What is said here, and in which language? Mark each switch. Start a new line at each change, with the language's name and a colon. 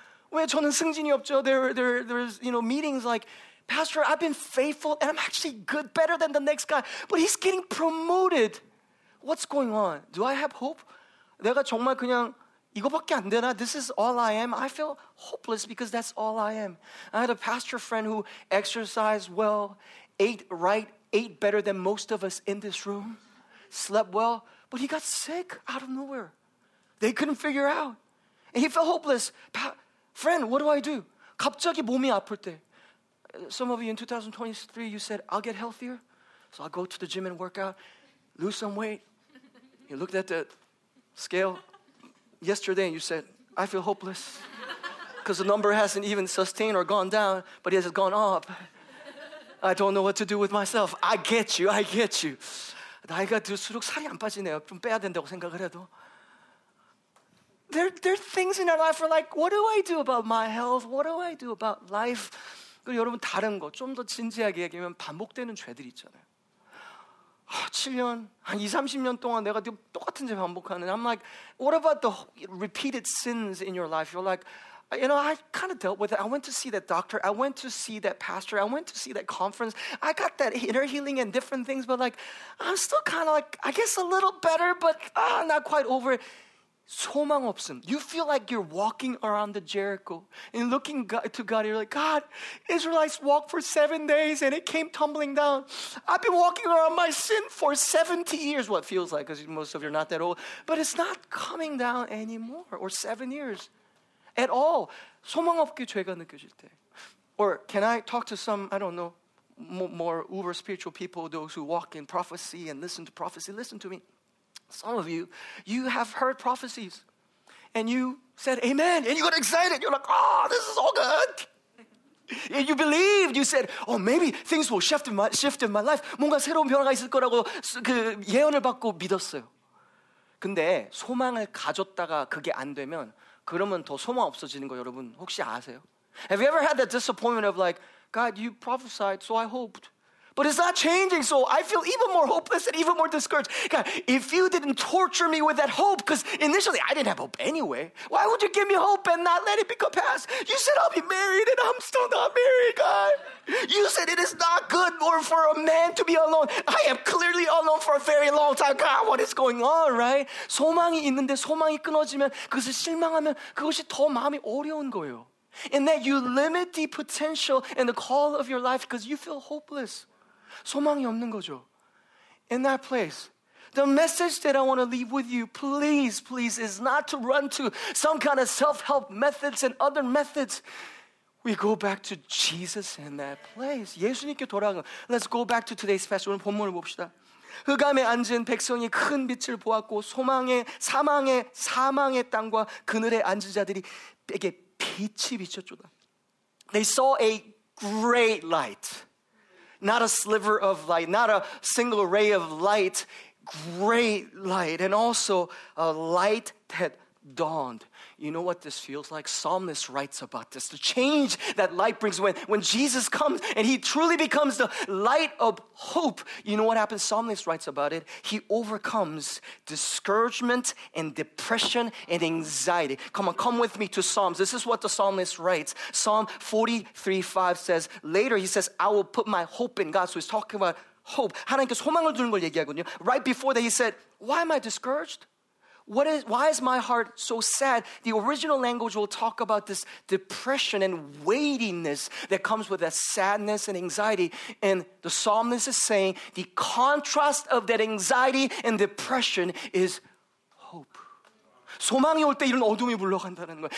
Korean: 왜 저는 승진이 없죠?
English: There's you know meetings like, Pastor, I've been faithful and I'm actually good, better than the next guy, but he's getting promoted. What's going on? Do I have hope?
Korean: 내가 정말 그냥 이거밖에 안 되나?
English: This is all I am. I feel hopeless because that's all I am. I had a pastor friend who exercised well, ate right, ate better than most of us in this room, slept well, but he got sick out of nowhere. They couldn't figure out. And he felt hopeless. Friend, what do I do?
Korean: 갑자기 몸이 아플 때.
English: Some of you in 2023, you said, I'll get healthier. So I'll go to the gym and work out, lose some weight. You looked at the scale yesterday, you said, I feel hopeless because the number hasn't even sustained or gone down, but it has gone up. I don't know what to do with myself. I get you. I get you.
Korean: 나이가 들수록 살이 안 빠지네요. 좀 빼야 된다고 생각을 해도.
English: There are things in our life where like, what do I do about my health? What do I do about life?
Korean: 그리고 여러분 다른 거, 좀 더 진지하게 얘기하면 반복되는 죄들이 있잖아요. 7년, 한 20, 30년 동안 내가 똑같은 죄 반복하는.
English: I'm like, what about the repeated sins in your life? You're like, you know, I kind of dealt with it. I went to see that doctor. I went to see that pastor. I went to see that conference. I got that inner healing and different things, but like, I'm still kind of like, I guess a little better, but not quite over it.
Korean: 소망 없음.
English: You feel like you're walking around the Jericho and looking to God. You're like, God, Israelites walked for 7 days and it came tumbling down. I've been walking around my sin for 70 years. What feels like, because most of you are not that old. But it's not coming down anymore, or 7 years at all.
Korean: 소망 없게 죄가 느껴질 때.
English: Or can I talk to some, I don't know, more uber spiritual people, those who walk in prophecy and listen to prophecy. Listen to me. Some of you, you have heard prophecies and you said amen and you got excited. You're like, oh, this is all good. And you believed. You said, oh, maybe things will shift in my life.
Korean: 뭔가 새로운 변화가 있을 거라고 그 예언을 받고 믿었어요. 근데 소망을 가졌다가 그게 안 되면 그러면 더 소망 없어지는 거 여러분 혹시 아세요?
English: Have you ever had that disappointment of like, God, you prophesied, so I hoped. But it's not changing, so I feel even more hopeless and even more discouraged. God, if you didn't torture me with that hope, because initially I didn't have hope anyway, why would you give me hope and not let it become past? You said I'll be married and I'm still not married, God. You said it is not good for a man to be alone. I am clearly alone for a very long time. God, what is going on, right?
Korean: 소망이 있는데 소망이 끊어지면 그것을 실망하면 그것이 더 마음이 어려운 거예요.
English: And that you limit the potential and the call of your life because you feel hopeless.
Korean: 소망이 없는 거죠.
English: In that place, the message that I want to leave with you, please, please, is not to run to some kind of self-help methods and other methods. We go back to Jesus in that place.
Korean: 예수님께 돌아가.
English: Let's go back to today's passage.
Korean: 오늘 본문을 봅시다. 흑암에 앉은 백성이 큰 빛을 보았고 소망의 사망의 땅과 그늘에 앉은 자들이에게 빛이 비쳤도다.
English: They saw a great light. Not a sliver of light, not a single ray of light, great light, and also a light that dawned. You know what this feels like? Psalmist writes about this. The change that light brings when Jesus comes and he truly becomes the light of hope. You know what happens? Psalmist writes about it. He overcomes discouragement and depression and anxiety. Come on, come with me to Psalms. This is what the psalmist writes. Psalm 43:5 says, later he says, I will put my hope in God. So he's talking about hope.
Korean: 하나님께 소망을 두는 걸 얘기하거든요.
English: Right before that he said, why am I discouraged? Why is my heart so sad? The original language will talk about this depression and weightiness that comes with that sadness and anxiety. And the psalmist is saying the contrast of that anxiety and depression is hope.
Korean: 소망이 올 때 이런 어둠이 물러간다는 거예요.